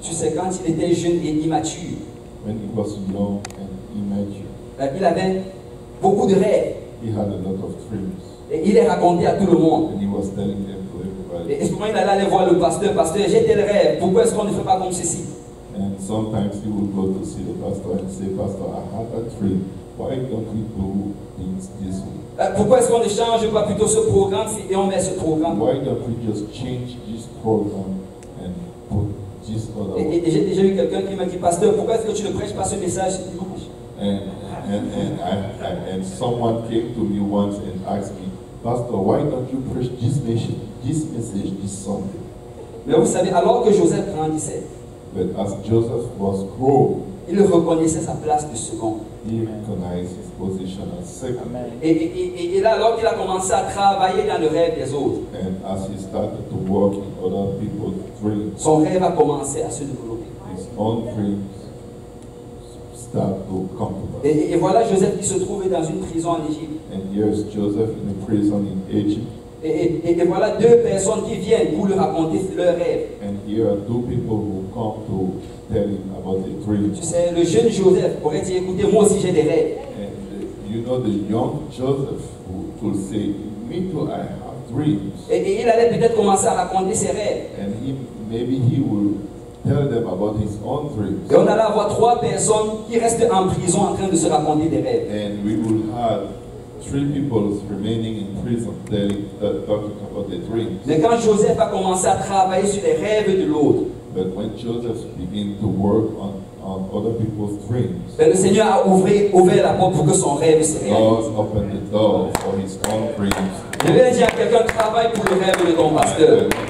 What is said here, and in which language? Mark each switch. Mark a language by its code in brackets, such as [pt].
[fr] Tu sais, quand il était jeune et immature, [en] when he was young and immature, [fr] il avait beaucoup de rêves. [en] He had a lot of dreams. [fr] Et il les racontait à tout le monde. [en] And he was telling them to everybody. [fr] Et souvent, il allait aller voir le pasteur. Pasteur, j'ai tel rêve. Pourquoi est-ce qu'on ne fait pas comme ceci? [en] And sometimes he would go to see the pastor and say, Pastor, I have a dream. Why don't we do things this way? [fr] Pourquoi est-ce qu'on ne change pas plutôt ce programme et on met ce programme? [en] Why don't we just change this program and put this other one? [fr] Et j'ai déjà eu quelqu'un qui m'a dit, Pasteur, pourquoi est-ce que tu ne prêches pas ce message ce dimanche? [en] And someone came to me once and asked me, Pastor, why don't you preach this message this Sunday? [fr] Mais vous savez, alors que Joseph grandissait, [en] but as Joseph was grown, [fr] il reconnaissait sa place de second. [en] He recognized his position as second. [fr] Et là, alors qu'il a commencé à travailler dans le rêve des autres, [en] and as he started to work in other people's dreams, [fr] son rêve a commencé à se développer. [en] His own dreams start to come to pass. [fr] Et voilà Joseph qui se trouvait dans une prison en Égypte. [en] And here's Joseph in a prison in Egypt. [fr] Et voilà deux personnes qui viennent pour lui raconter leur rêve. [en] And here are two people who come to tell him about the dream. [fr] Tu sais, le jeune Joseph pourrait dire, écoutez, moi aussi j'ai des rêves. [en] And you know the young Joseph who could say, me too, I have dreams. [fr] Et il allait peut-être commencer à raconter ses rêves. [en] And maybe he will tell them about his own dreams. [fr] Et on allait avoir trois personnes qui restent en prison en train de se raconter des rêves. [en] And we will have three people remaining in prison talking about their dreams. [fr] Mais quand Joseph a commencé à travailler sur les rêves de l'autre, [en] but when Joseph began to work on on other people's dreams. [fr] Mais le Seigneur a ouvert la porte pour que son rêve se réalise. [en] God opened the door for his own dreams. [fr] Je vais dire à quelqu'un, travaille pour le rêve de ton pasteur.